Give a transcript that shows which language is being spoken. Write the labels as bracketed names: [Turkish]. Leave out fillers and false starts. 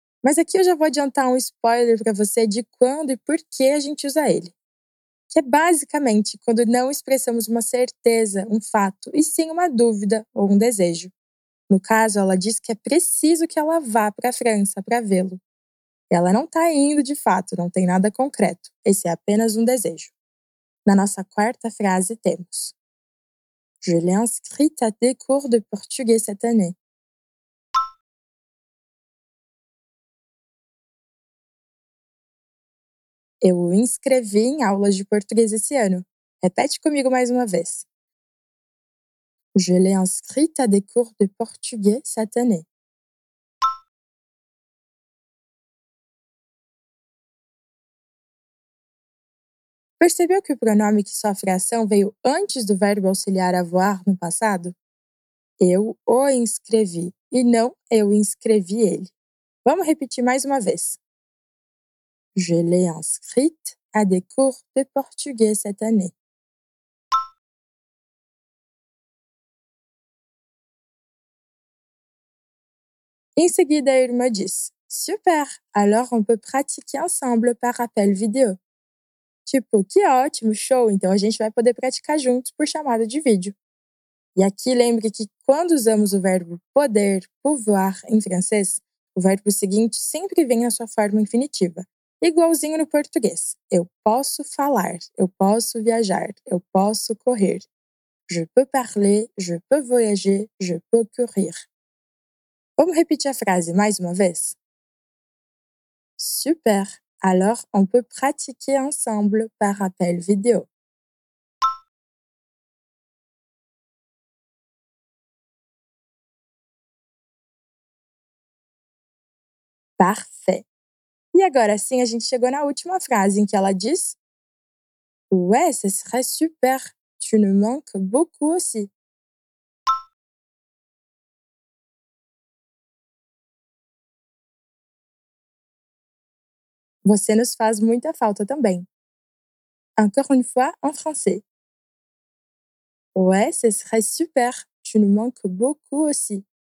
[Portuguese] Mas aqui eu já vou adiantar um spoiler para você de quando e por que a gente usa ele. Que é basicamente quando não expressamos uma certeza, um fato, e sim uma dúvida ou um desejo. No caso, ela diz que é preciso que ela vá para a França para vê-lo. Ela não está indo de fato, não tem nada concreto. Esse é apenas um desejo. Na nossa quarta frase temos: [French] Je l'ai inscrite à des cours de portugais cette année. [Portuguese] Eu o inscrevi em aulas de português esse ano. Repete comigo mais uma vez. [French] Je l'ai inscrite à des cours de portugais cette année. [Portuguese] Percebeu que o pronome que sofre a ação veio antes do verbo auxiliar avoir no passado? Eu o inscrevi, e não eu inscrevi ele. Vamos repetir mais uma vez. [French] Je l'ai inscrite à des cours de portugais cette année. [Portuguese] Em seguida, a irmã diz: [French] Super, alors on peut pratiquer ensemble par appel vidéo. [Portuguese] Tipo, que ótimo, show, então a gente vai poder praticar juntos por chamada de vídeo. E aqui lembre que quando usamos o verbo poder, pouvoir, em francês, o verbo seguinte sempre vem na sua forma infinitiva, igualzinho no português. Eu posso falar, eu posso viajar, eu posso correr. [French] Je peux parler, je peux voyager, je peux courir. [Portuguese] Vamos repetir a frase mais uma vez? [French] Super! Alors, on peut pratiquer ensemble par appel vidéo. Parfait. [Portuguese] E agora sim, a gente chegou na última frase em que ela diz: [French] Ouais, ce serait super. Tu nous manques beaucoup aussi. [Portuguese] Você nos faz muita falta também. [French] Encore une fois, en français. Ouais, ce serait super. Tu nous manques beaucoup aussi.